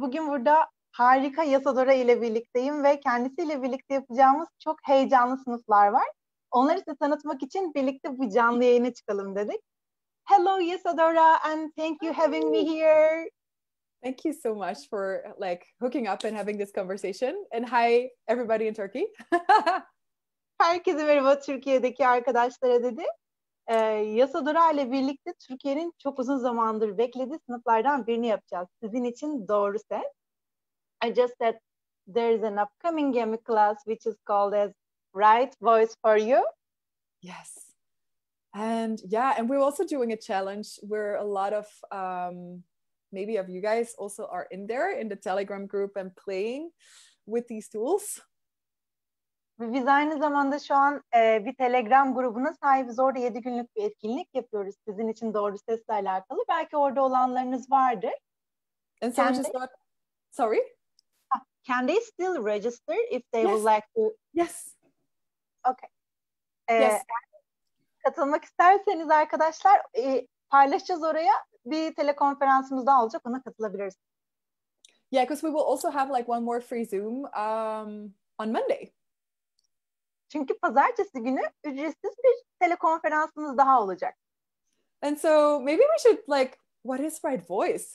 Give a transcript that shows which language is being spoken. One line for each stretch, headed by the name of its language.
Turkish: Bugün burada harika Yasodhara ile birlikteyim ve kendisiyle birlikte yapacağımız çok heyecanlı sınıflar var. Onları size tanıtmak için birlikte bu canlı yayına çıkalım dedik.
English: Hello Yasodhara and thank you having me here. Thank you so much for like hooking up and having this conversation. And hi everybody in Turkey.
Turkish: Herkese merhaba Türkiye'deki arkadaşlara dedi. Yasodhara ile birlikte Türkiye'nin çok uzun zamandır beklediği sınıflardan birini yapacağız. Sizin için doğru ses.
English: I just said there is an upcoming gaming class which is called as Right Voice for You. Yes. And yeah, and we're also doing a challenge where a lot of maybe of you guys also are in there in the Telegram group and playing with these tools.
Turkish: Biz aynı zamanda şu an bir Telegram grubuna sahibiz. Orada 7 günlük bir etkinlik yapıyoruz. Sizin için doğru sesle alakalı. Belki orada olanlarınız vardır.
English: And someone just got... Sorry? Can they still register if they yes. would like to... Yes. Okay. Yes.
Turkish: Katılmak isterseniz arkadaşlar paylaşacağız oraya. Bir telekonferansımız daha olacak. Ona katılabiliriz.
English: Yeah, because we will also have like one more free Zoom on Monday.
Turkish: Çünkü pazartesi günü ücretsiz bir telekonferansımız daha olacak.
English: And so maybe we should like, what is Right Voice?